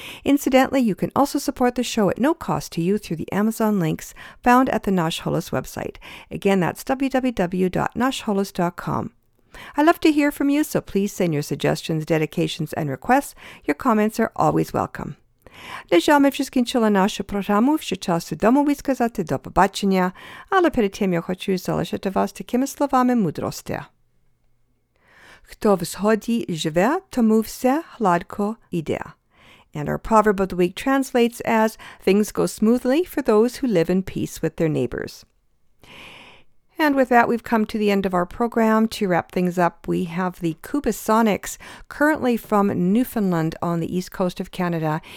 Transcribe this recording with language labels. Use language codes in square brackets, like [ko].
[en] Incidentally, you can also support the show at no cost to you through the Amazon links found at the Nash Holos website. Again, that's www.nashholos.com. I love to hear from you, so please send your suggestions, dedications, and requests. Your comments are always welcome. [uk] На жаль, ми скінчили нашу програму. Ще часу домові сказати до побачення, але перед тим я хочу залишити вас такими словами мудрості. Хто в згоді живе, тому все гладко йде. [en] And our proverb of the week translates as, things go smoothly for those who live in peace with their neighbors. And with that, we've come to the end of our program. To wrap things up, we have the Cubasonics, currently from Newfoundland on the east coast of Canada.